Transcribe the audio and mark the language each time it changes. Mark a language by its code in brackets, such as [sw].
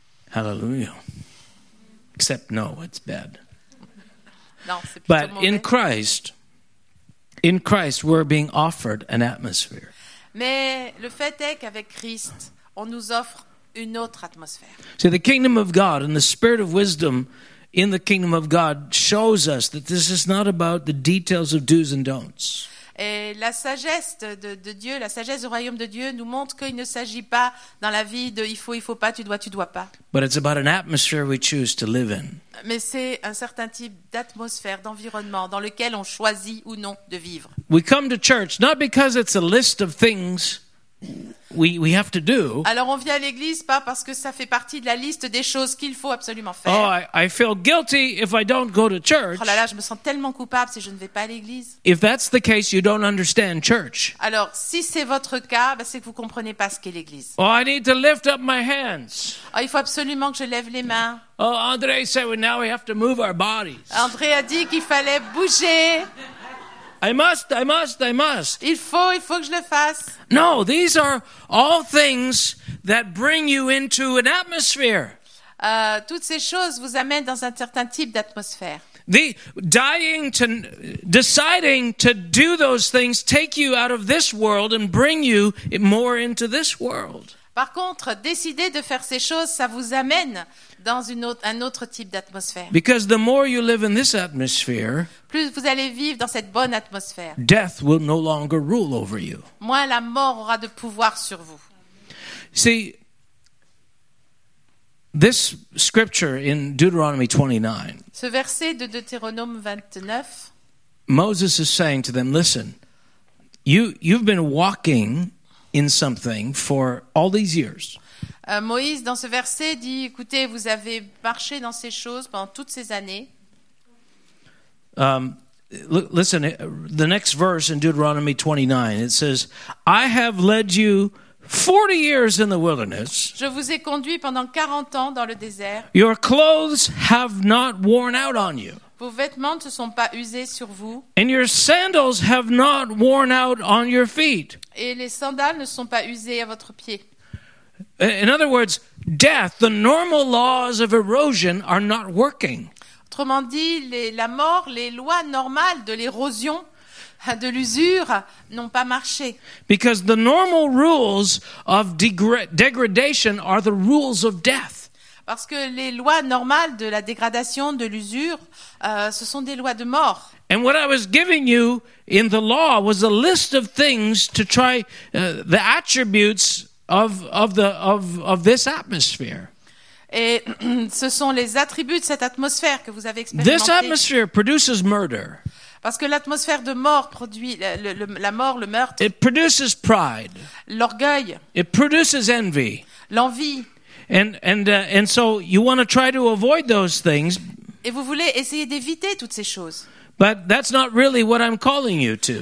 [en] Hallelujah. Except no, it's bad. [fr] Non, c'est [en] but [fr] mauvais. [en] In Christ, we're being offered an atmosphere. [fr] Mais le fait est qu'avec Christ, on nous offre une autre atmosphère. [en] See, the kingdom of God and the spirit of wisdom in the kingdom of God shows us that this is not about the details of do's and don'ts. [fr] Et la sagesse de Dieu, la sagesse du royaume de Dieu nous montre qu'il ne s'agit pas dans la vie de il faut pas, tu dois pas. [en] But it's about an atmosphere we choose to live in. [fr] Mais c'est un certain type d'atmosphère, d'environnement dans lequel on choisit ou non de vivre. [en] We come to church not because it's a list of things we have to do. [fr] Alors on vient à l'église pas parce que ça fait partie de la liste des choses qu'il faut absolument faire. [en] Oh, I feel guilty if I don't go to church. [fr] Oh là là, je me sens tellement coupable si je ne vais pas à l'église. [en] If that's the case, you don't understand church. [fr] Alors si c'est votre cas, c'est que vous comprenez pas ce qu'est l'église. [en] Oh, I need to lift up my hands. [fr] Oh, il faut absolument que je lève les mains. [en] Oh, André said now we have to move our bodies. [fr] André a dit qu'il fallait bouger. [en] I must. [fr] Il faut que je le fasse. [en] No, these are all things that bring you into an atmosphere. [fr] Toutes ces choses vous amènent dans un certain type d'atmosphère. [en] deciding to do those things take you out of this world and bring you more into this world. [fr] Par contre, décider de faire ces choses, ça vous amène dans un autre type d'atmosphère. [en] Because the more you live in this atmosphere, [fr] plus vous allez vivre dans cette bonne atmosphère, [en] death will no longer rule over you. [fr] Moins la mort aura de pouvoir sur vous. [en] See, this scripture in Deuteronomy 29. [fr] Ce verset de Deutéronome 29. [en] Moses is saying to them, listen, you've been walking in something for all these years. [fr] Moïse dans ce verset dit, écoutez, vous avez marché dans ces choses pendant toutes ces années. [en] Listen, the next verse in Deuteronomy 29, it says, I have led you 40 years in the wilderness. [fr] Je vous ai conduit pendant 40 ans dans le désert. [en] Your clothes have not worn out on you. [fr] Vos vêtements ne se sont pas usés sur vous. [en] And your sandals have not worn out on your feet. [fr] Et les sandales ne sont pas usées à votre pied. [en] In other words, death, the normal laws of erosion are not working. [fr] Autrement dit, la mort, les lois normales de l'érosion, de l'usure, n'ont pas marché. [en] Because the normal rules of degradation are the rules of death. [fr] Parce que les lois normales de la dégradation, de l'usure, ce sont des lois de mort. [en] And what I was giving you in the law was a list of things to try the attributes of this atmosphere. [fr] Et ce sont les attributs de cette atmosphère que vous avez expérimenté. [en] This atmosphere produces murder. [fr] Parce que l'atmosphère de mort produit la mort, le meurtre. [en] It produces pride. [fr] L'orgueil. [en] It produces envy. [fr] L'envie. [en] And so you want to try to avoid those things. [fr] Et vous voulez essayer d'éviter toutes ces choses. [en] But that's not really what I'm calling you to.